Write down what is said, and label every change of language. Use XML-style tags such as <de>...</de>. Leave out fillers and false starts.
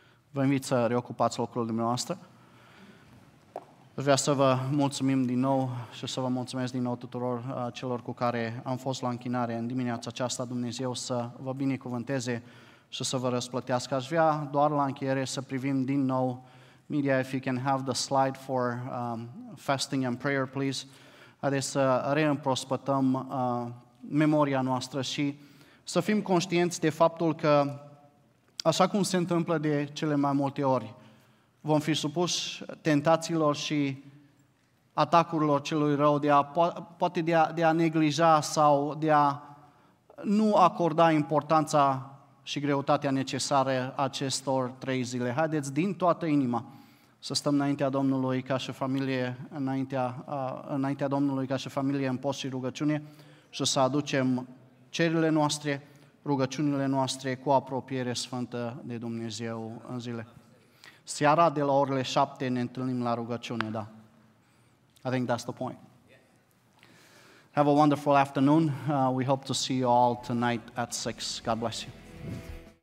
<ro>Vă invit să reocupați locul dumneavoastră. Vreau să vă mulțumim din nou și să vă mulțumesc din nou tuturor celor cu care am fost la închinare în dimineața aceasta. Dumnezeu să vă binecuvânteze și să vă răsplătească. Aș vrea doar la încheiere să privim din nou.</ro> <en>Media, if you can have the slide for fasting and prayer, please.</en> <ro>Haideți să reîmprospătăm memoria noastră și să fim conștienți de faptul că, așa cum se întâmplă de cele mai multe ori, vom fi supuși tentațiilor și atacurilor celui rău de a, poate de a neglija sau de a nu acorda importanța și greutatea necesară acestor trei zile. Haideți din toată inima să stăm înaintea Domnului ca și familie, înaintea Domnului ca și familie în post și rugăciune și să aducem cererile noastre, rugăciunile noastre cu apropiere sfântă de Dumnezeu în zile. Seara de la orele 7 ne întâlnim la rugăciune, da.</ro> <en>I think that's the point. Have a wonderful afternoon. We hope to see you all tonight at 6. God bless you.</en>